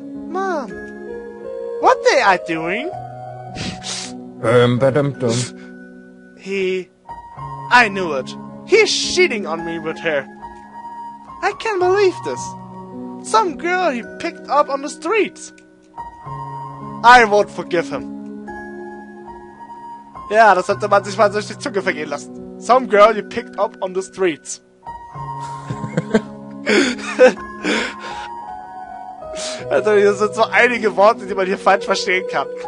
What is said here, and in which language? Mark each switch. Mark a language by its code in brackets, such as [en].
[en] Mom. What they are doing? Badum-dum. I knew it. He's shitting on me with her. I can't believe this. Some girl he picked up on the streets. I won't forgive him. [de] Ja, das hat man sich mal durch die Zunge vergehen lassen. [en] Some girl you picked up on the streets. [de] Also hier sind so einige Worte, die man hier falsch verstehen kann.